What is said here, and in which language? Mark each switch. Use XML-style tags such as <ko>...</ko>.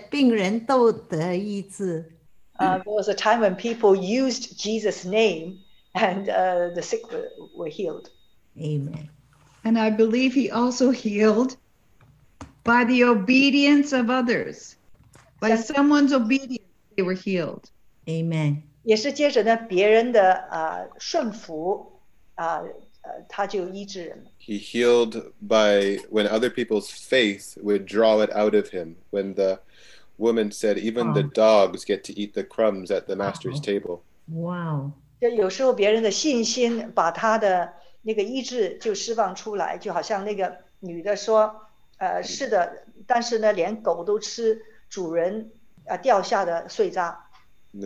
<zh>一个呢是浇香膏，另外一个是呢来哭泣，他就是来接纳的时候，来接待的时候就让人得医治。人家借用耶稣的名，另外的病人都得医治。</zh> <en>There was a time when people used Jesus' name, and the sick were healed. Amen. And I believe he also healed by the obedience of others. By someone's obedience, they were healed. Amen.</en> <zh>也是接着呢,别人的, 顺服, 他就医治人。</zh> <en>He healed by when other people's faith would draw it out of him. When the woman said, even the dogs get to eat the crumbs at the master's table. Wow.</en> <zh>有时候别人的信心把他的那个医治就释放出来, 就好像那个女的说, 是的，但是呢，连狗都吃主人掉下的碎渣。The</zh>